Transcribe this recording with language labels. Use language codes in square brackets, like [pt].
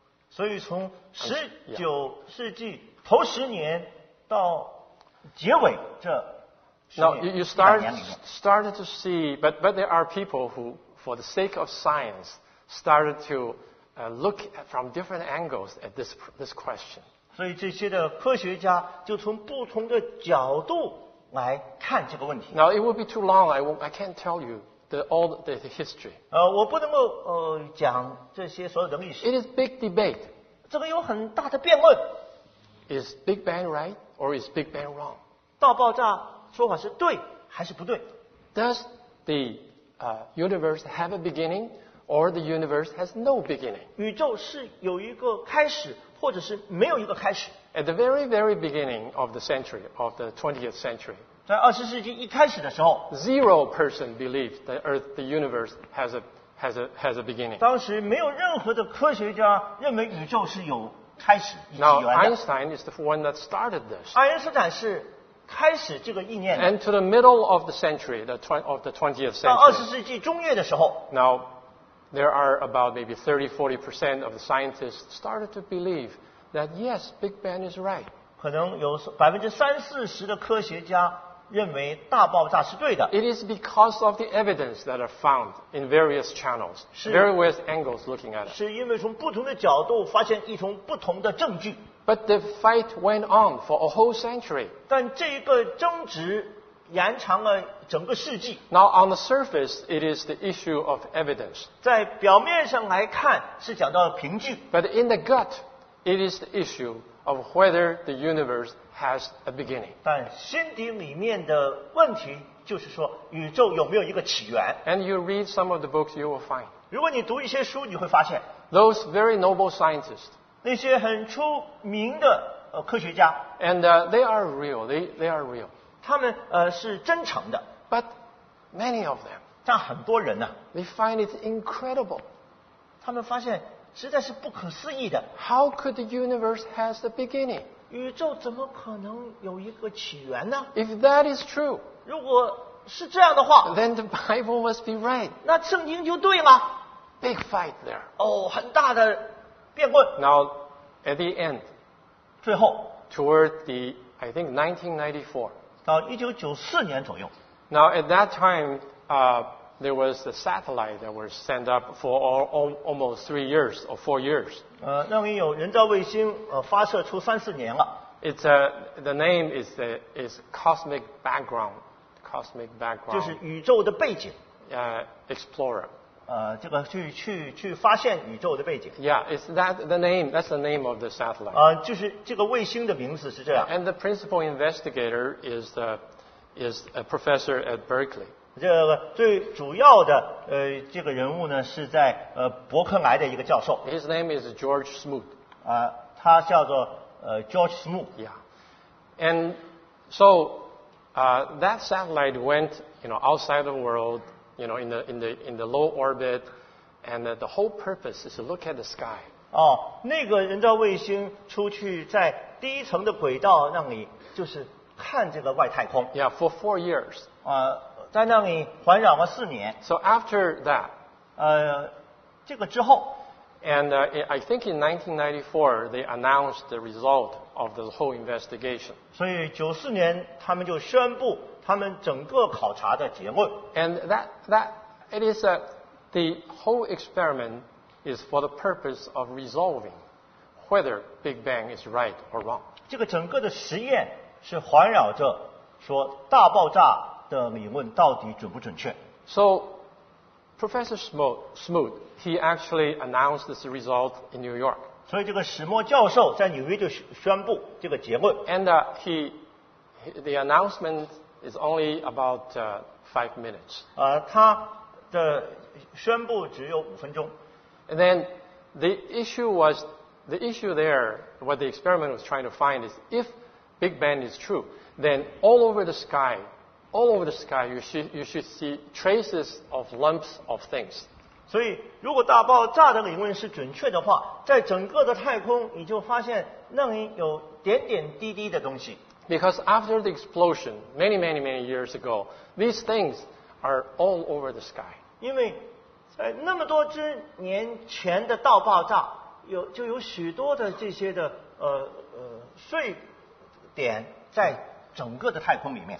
[zh] 所以从十九世纪头十年到结尾这十年。 [en] Now you started to see, but there are people who, for the sake of science, started to look from different angles at this question. [zh] 所以这些的科学家就从不同的角度来看这个问题。 [en] Now it would be too long. I can't tell you all the history. [zh] 我不能够讲这些所有的历史。 [en] It is big debate. [zh] 这个有很大的辩论。 [en] Is Big Bang right or is Big Bang wrong? [zh] 大爆炸说法是对还是不对？ [en] Does the universe have a beginning or the universe has no beginning? [zh] 宇宙是有一个开始或者是没有一个开始？ [en] At the very, very beginning of the century, of the 20th century, [zh] 在二十世纪一开始的时候， [en] zero person believed the Earth, the universe has a beginning. [zh] 当时没有任何的科学家认为宇宙是有开始、起源的。 [en] Now Einstein is the one that started this. [zh] 爱因斯坦是开始这个意念的。 [en] And to the middle of the century, of the 20th century, [zh] 到二十世纪中叶的时候， [en] now there are about maybe 30-40% of the scientists started to believe that yes, Big Bang is right. [zh] 可能有百分之三四十的科学家认为大爆炸是对的。 [en] It is because of the evidence that are found in various channels, various angles looking at it. [zh] 是因为从不同的角度发现一种不同的证据。 [en] But the fight went on for a whole century. [zh] 但这一个争执延长了整个世纪。 [en] Now on the surface, it is the issue of evidence. [zh] 在表面上来看是讲到凭据。 [en] But in the gut, it is the issue of whether the universe has a beginning. [zh] 但心底里面的问题就是说宇宙有没有一个起源。 [en] And you read some of the books, you will find. [zh] 如果你读一些书，你会发现。 [en] Those very noble scientists. [zh] 那些很出名的科学家。 [en] And they are real. They are real. [zh] 他们是真诚的。 [en] But many of them. [zh] 但很多人呢。 [en] They find it incredible. [zh] 他们发现实在是不可思议的。 [en] How could the universe have a beginning? [zh] 宇宙怎么可能有一个起源呢？ [en] If that is true, [zh] 如果是这样的话， [en] then the Bible must be right. [zh] 那圣经就对了。 [en] Big fight there. [zh] 哦，很大的辩论。 [en] Now, at the end, [zh] 最后， [en] toward the, I think 1994, [zh] 到1994年左右。 [en] Now, at that time, there was a satellite that was sent up for almost 3 years or 4 years. [zh] 那边有人造卫星发射出三四年了。 [en] It's the name is Cosmic Background. Cosmic Background. [zh] 就是宇宙的背景。 [en] Explorer. [zh] 这个去发现宇宙的背景。 [en] Yeah, is that the name? That's the name of the satellite. [zh] 就是这个卫星的名字是这样。 [en] And the principal investigator is a professor at Berkeley. [zh] 这个最主要的这个人物呢是在伯克莱的一个教授。 [en] His name is George Smoot. [zh] 他叫做George Smoot. Yeah. [en] And so that satellite went, you know, outside the world, you know, in the low orbit, and the whole purpose is to look at the sky. [zh] 那个人造卫星出去在低层的轨道那里就是看这个外太空。 [en] Yeah, for 4 years. [zh] 在那里环绕了四年。 [en] So after that, [zh] 这个之后 [en] ，and I think in 1994 they announced the result of the whole investigation. [zh] 所以九四年他们就宣布他们整个考察的结论。 [en] And that it is that the whole experiment is for the purpose of resolving whether Big Bang is right or wrong. [zh] 这个整个的实验是环绕着说大爆炸。的理论到底准不准确？ [en] So Professor Smoot, he actually announced this result in New York. [zh] 所以这个史默教授在纽约就宣布这个结论。 [en] And the announcement is only about 5 minutes. [zh] 他的宣布只有五分钟。 [en] And then the issue was, the issue there, what the experiment was trying to find is, if Big Bang is true, then all over the sky, all over the sky, you should see traces of lumps of things. [zh] 所以如果大爆炸的理论是准确的话，在整个的太空你就发现那里有点点滴滴的东西。 [en] Because after the explosion, many, many, many years ago, these things are all over the sky. [zh] 因为在那么多之年前的大爆炸，有就有许多的这些的碎点在整个的太空里面。